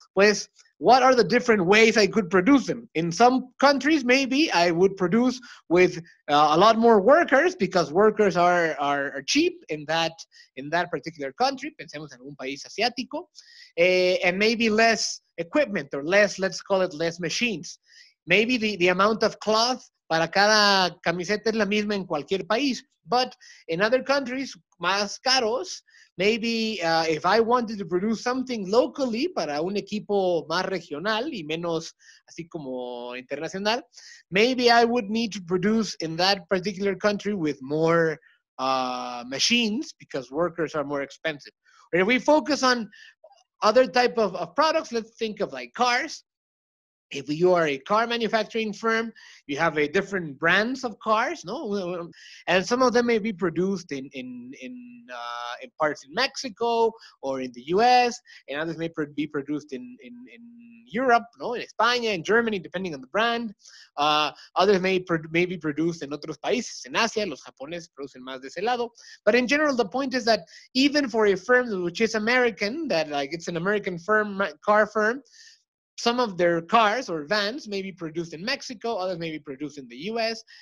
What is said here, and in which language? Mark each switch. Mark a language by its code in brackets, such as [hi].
[en] Pues, what are the different ways I could produce them? In some countries, maybe I would produce with a lot more workers because workers are cheap in that particular country. [es] Pensemos en un país asiático. [en] And maybe less equipment or less, let's call it less machines. Maybe the amount of cloth [es] para cada camiseta es la misma en cualquier país. [en] But in other countries, [es] más caros, [en] maybe if I wanted to produce something locally [es] para un equipo más regional y menos así como internacional, [en] maybe I would need to produce in that particular country with more machines because workers are more expensive. Or if we focus on other type of products, let's think of like cars. If you are a car manufacturing firm, you have a different brands of cars, no? And some of them may be produced in parts in Mexico or in the US, and others may be produced in Europe, no? In España, in Germany, depending on the brand. Others may be produced in [es] otros países, [en] in Asia, [es] los japoneses producen más de ese lado. [en] But in general, the point is that even for a firm which is American, that like it's an American firm, car firm, some of their cars or vans may be produced in Mexico, others may be produced in the US.